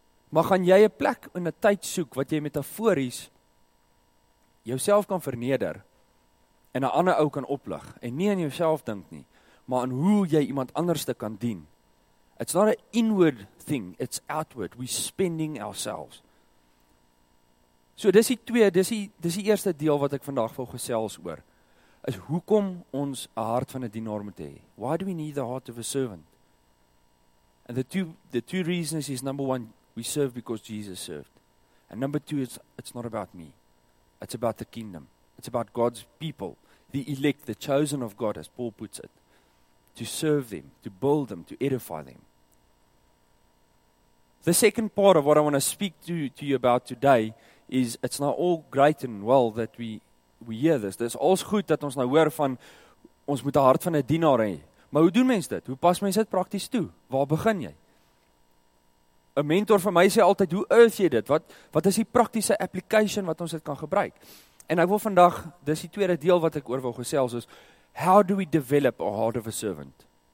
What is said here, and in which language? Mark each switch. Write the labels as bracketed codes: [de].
[af] Maar gaan jy 'n plek in 'n tyd soek wat jy metafories jouself kan verneder en 'n ander ou kan oplig en nie aan jouself dink nie, maar aan hoe jy iemand anderste kan dien. [en] It's not an inward thing, it's outward. We're spending ourselves. [af] So dis die eerste deel wat ek vandag wil gesels oor, is hoekom ons 'n hart van 'n dienaar moet hê. [en] Why do we need the heart of a servant? And the two reasons is, number one, we serve because Jesus served. And number two, it's not about me. It's about the kingdom. It's about God's people, the elect, the chosen of God, as Paul puts it. To serve them, to build them, to edify them. The second part of what I want to speak to you about today is, it's not all great and well that we hear this. [af] Dis als goed dat ons nou hoor van, ons moet 'n hart van 'n dienaar hê. Maar hoe doen mens dit? Hoe pas mens dit prakties toe? Waar begin jy? 'N mentor van my sê altyd, hoe earth jy dit? Wat is die praktiese application wat ons dit kan gebruik? En ek wil vandag, dis die tweede deel wat ek oor wil gesels, [en] is how do we develop a heart of a servant?